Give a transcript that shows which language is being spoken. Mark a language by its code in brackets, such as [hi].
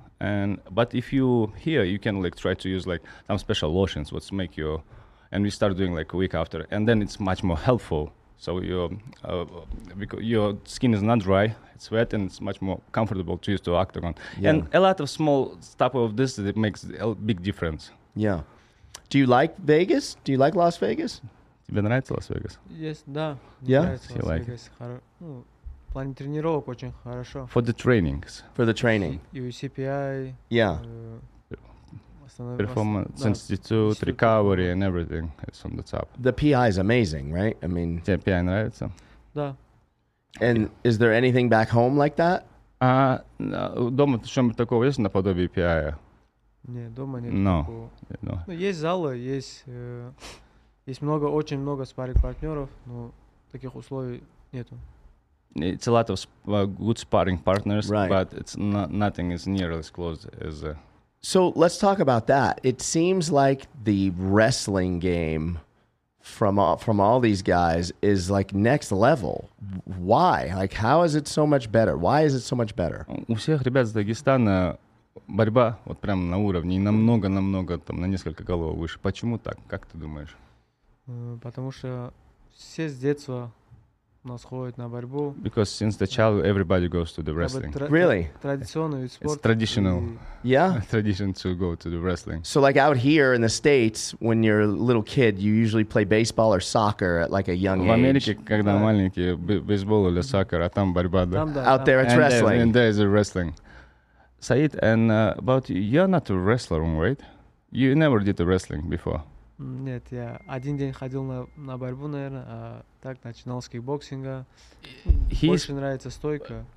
[en] And but if you here, you can like try to use like some special lotions. What's make you? And we start doing like a week after, and then it's much more helpful. So your skin is not dry; it's wet, and it's much more comfortable to use to octagon. Yeah. And a lot of small stuff of this that makes a big difference. Yeah. Do you like Vegas? Do you like Las Vegas? [ru] Тебе нравится Лас-Вегас? [en] Yes, да. Yeah? [ru] Мне нравится Лас-Вегас. Ну, плане тренировок очень хорошо. [en] For the trainings. For the training. [ru] И CPI. [en] Yeah. Performance Institute, recovery and everything. It's on the top. The PI is amazing, right? I mean, [ru] yeah, PI нравится. Да. [en] And is there anything back home like that? [ru] Дома что-нибудь такого есть наподобие PI? Нет, дома нет такого. Ну, есть залы, есть, есть много, очень много спарринг-партнеров, но таких условий нету. [en] It's a lot of good sparring partners, right. But it's nothing is nearly as close as. So let's talk about that. It seems like the wrestling game from all these guys is like next level. Why? Like, how is it so much better? Why is it so much better? [ru] У всех ребят из Дагестана борьба вот прям на уровне намного намного там на несколько голов выше. Почему так? Как ты думаешь? Потому что все с детства нас ходят на борьбу. [en] Because since the child, everybody goes to the wrestling. Really? [ru] Традиционный вид спорта. [en] It's traditional. Yeah? Tradition to go to the wrestling. So like out here in the States, when you're a little kid, you usually play baseball or soccer at like a young age. [ru] В Америке, когда маленький, бейсбол или soccer, а там борьба. Да. [en] Out there it's wrestling. And there is a wrestling. Said, and about you, you're not a wrestler, right? You never did the wrestling before. [ru] Нет, я один день ходил на борьбу, наверное, а так начинал с кикбоксинга. Больше нравится стойка.